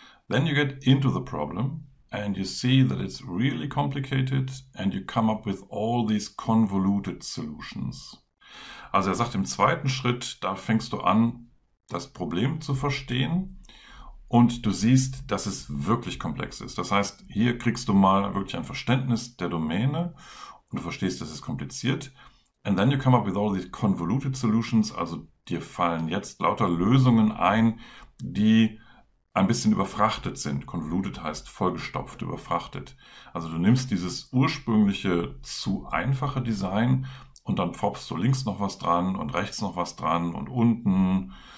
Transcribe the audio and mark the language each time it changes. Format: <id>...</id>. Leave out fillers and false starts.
<en>Then you get into the problem and you see that it's really complicated and you come up with all these convoluted solutions.</en> <de>Also er sagt im zweiten Schritt, da fängst du an, das Problem zu verstehen und du siehst, dass es wirklich komplex ist. Das heißt, hier kriegst du mal wirklich ein Verständnis der Domäne und du verstehst, dass es kompliziert.</de> <en>And then you come up with all these convoluted solutions.</en> <de>Also dir fallen jetzt lauter Lösungen ein, die ein bisschen überfrachtet sind. Convoluted heißt vollgestopft, überfrachtet. Also du nimmst dieses ursprüngliche zu einfache Design und dann pfropfst du links noch was dran und rechts noch was dran und unten.</de>